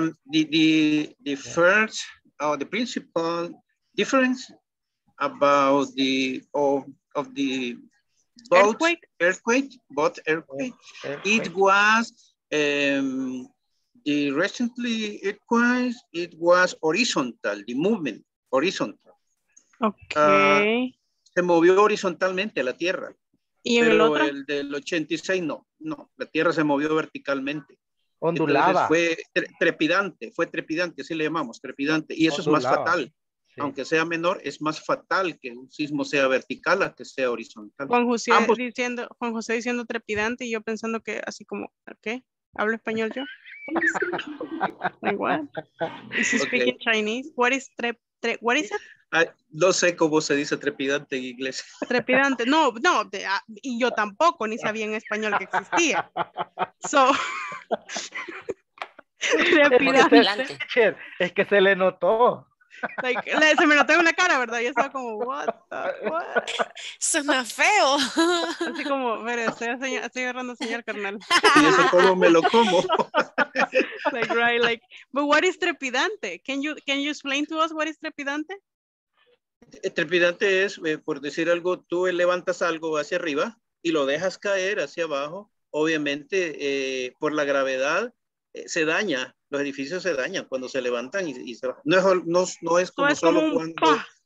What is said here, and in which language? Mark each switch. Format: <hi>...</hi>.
<en>The first or the principal difference about the of the boat earthquake. It was the recently earthquake, it was horizontal, the movement, horizontal. Okay.</en> <es>Se movió horizontalmente la tierra. ¿Y pero el otro? El del 86, no, no, la tierra se movió verticalmente. Ondulaba. Entonces fue trepidante, así le llamamos, trepidante. Y eso ondulaba. Es más fatal. Sí. Aunque sea menor, es más fatal que un sismo sea vertical a que sea horizontal. Juan José, ambos... diciendo, Juan José diciendo trepidante y yo pensando que así como, ¿qué? ¿Hablo español yo?</es> <en>Like what? Is he speaking Chinese? What is what is it?</en> <es>No sé cómo se dice trepidante en inglés. Trepidante, no, no, y yo tampoco ni sabía en español que existía.</es> <en>So, trepidante.</en> <es>Es que se le notó. Like, se me notó en la cara, ¿verdad? Yo estaba como,</es> <en>what the, what?</en> <es>Suena feo. Así como, mire, estoy agarrando señal, carnal. Y ese polvo me lo como.</es> <en>Like, right, like, but what is trepidante? Can you explain to us what is trepidante?</en> <es>Trepidante es, por decir algo, tú levantas algo hacia arriba y lo dejas caer hacia abajo. Obviamente, por la gravedad, se daña. Los edificios se dañan cuando se levantan y se bajan. No es, no, no es como es solo como cuando...</es>